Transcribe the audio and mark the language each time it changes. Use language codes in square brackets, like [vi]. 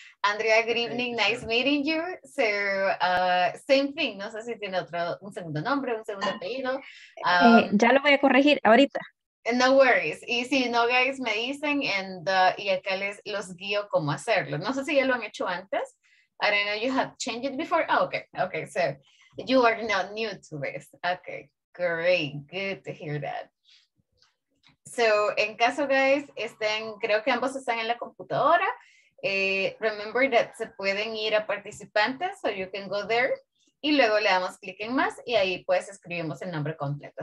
[en] Andrea, good evening, nice meeting you. So, same thing, [es] no sé si tiene otro, un segundo nombre, un segundo apellido. Ya lo voy a corregir ahorita. [en] No worries. [es] Y si no, guys, me dicen and, y acá les los guío cómo hacerlo. No sé si ya lo han hecho antes. [en] I don't know, you have changed it before. Oh, okay, okay, so you are not new to this. Okay, great, good to hear that. [es] So, en caso, guys, estén, creo que ambos están en la computadora. [en] Remember that [es] se pueden ir a participantes, [en] so you can go there. [es] Y luego le damos clic en más y ahí pues escribimos el nombre completo.